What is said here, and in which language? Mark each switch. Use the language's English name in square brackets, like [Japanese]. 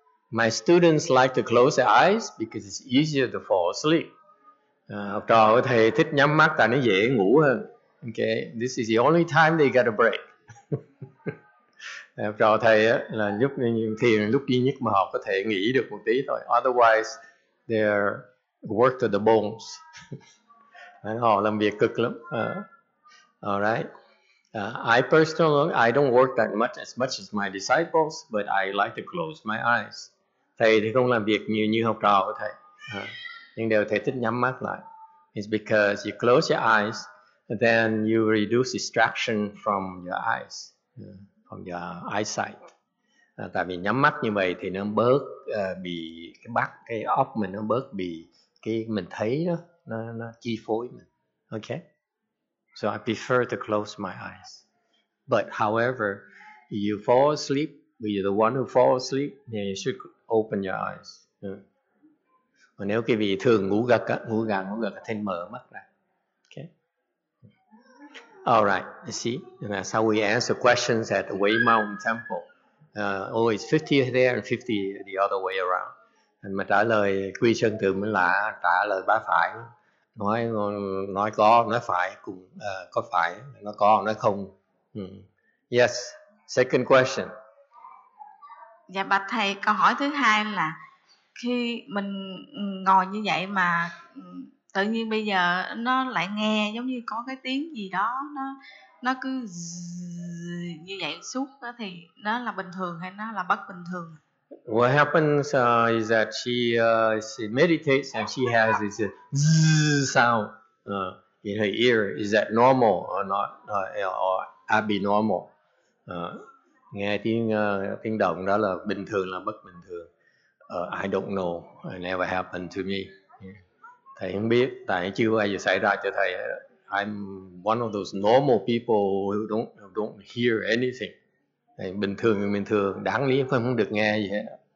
[English] My students like to close their eyes because it's easier to fall asleep. [Vietnamese] Học trò của thầy thích nhắm mắt tại nó dễ ngủ hơn. [English] Okay, this is the only time they get a break. [Vietnamese] Học trò thầy là lúc thiền lúc duy nhất mà họ có thể nghỉ được một tí thôi. [English] Otherwise, they're work to the bones. [Vietnamese] Họ làm việc cực lắm. [English] Alright. I personally, I don't work that much as my disciples, but I like to close my eyes. [Vietnamese] Thầy thì không làm việc nhiều như học trò của thầy. Nhưng đều thầy thích nhắm mắt lại. [English] It's because you close your eyes, then you reduce distraction from your eyes. From your eyesight. [Vietnamese] Tại vì nhắm mắt như vậy thì nó bớt bị cái bắt, cái óc mình nó bớt bị cái mình thấy đó, nó chi phối mình. [English] Okay? So I prefer to close my eyes. But however, you fall asleep, you're the one who fall asleep, then you should open your eyes. [Vietnamese] Và nếu quý vị thường ngủ gật thì mở mắt ra. [English] All right, you see, and that's how we answer questions at the Way Mountain Temple. It's 50 there and 50 the other way around. [Vietnamese] And mà trả lời quy sơn tự mới lạ, trả lời ba phải, nói có, nói phải, cùng có phải, nó có, nói không. [English] Yes, second question. [Vietnamese] Dạ bạch thầy, câu hỏi thứ hai là khi mình ngồi như vậy mà tự nhiên bây giờ nó lại nghe giống như có cái tiếng gì đó nó cứ như vậy suốt đó, thì nó là bình thường hay nó là bất bình thường? [English] What happens is that she meditates and she has this sound in her ear. Is that normal or not or abnormal? [Vietnamese] Nghe tiếng tiếng động đó là bình thường là bất bình thường? [English] I don't know. It never happened to me. [Vietnamese] Thầy không biết, tại chưa bao giờ xảy ra cho thầy. [English] I'm one of those normal people who don't hear anything. [Vietnamese] Đấy, bình thường thì bình thường, đáng lý không không được nghe gì hết.